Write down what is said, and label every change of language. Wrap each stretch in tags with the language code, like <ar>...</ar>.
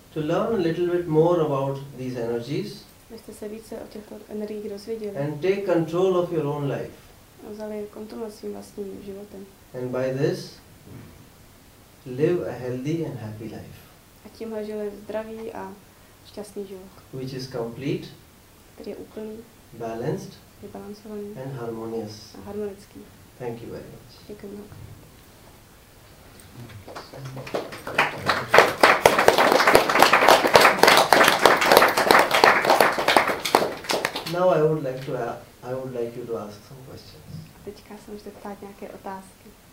<en>to learn a little bit more about these energies.</en> <cs>Abyste se více o těchto energiích dozvěděli.</cs> <en>And take control of your own life.</en> <cs>A vzali kontrolu svým vlastním životem.</cs> <en>And by this, live a healthy and happy life.</en> <cs>A tímhle žili zdravý a šťastný život.</cs> <en>Which is complete,</en> <cs>který je úplný,</cs> <en>balanced,</en> <cs>vybalancovaný</cs> <en>and harmonious.</en> <cs>A harmonický.</cs> <en>Thank you very much.</en> <cs>Děkuji mnoho.</cs> <en>Now I would like you to ask some questions.</en> <cs>Teďka se můžete ptát nějaké otázky.</cs>